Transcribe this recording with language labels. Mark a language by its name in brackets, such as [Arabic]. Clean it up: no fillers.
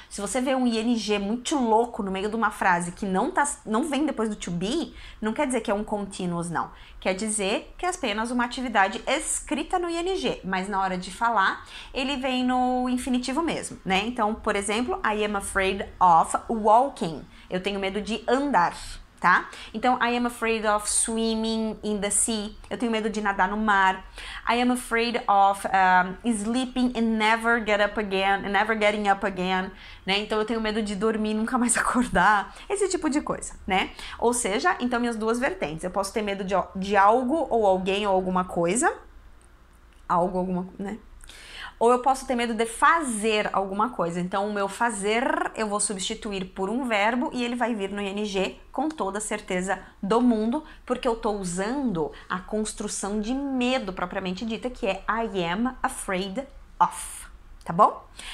[Portuguese] Se você vê um ing muito louco no meio de uma frase que não vem depois do to be, não quer dizer que é um continuous, não. Quer dizer que é apenas uma atividade escrita no ing, mas na hora de falar, ele vem no infinitivo mesmo, né? Então, por exemplo, [English] I am afraid of walking. [Portuguese] Eu tenho medo de andar, tá? [English] Então, I am afraid of swimming in the sea. [Portuguese] Eu tenho medo de nadar no mar. [English] I am afraid of sleeping and never get up again, and never getting up again, né? [Portuguese] Então, eu tenho medo de dormir e nunca mais acordar. Esse tipo de coisa, né? Ou seja, então, minhas duas vertentes. Eu posso ter medo de algo ou alguém ou alguma coisa. Algo, alguma, né? Ou eu posso ter medo de fazer alguma coisa. Então, o meu fazer eu vou substituir por um verbo e ele vai vir no ing com toda certeza do mundo, porque eu estou usando a construção de medo propriamente dita, que é [English] I am afraid of. [Portuguese] Tá bom?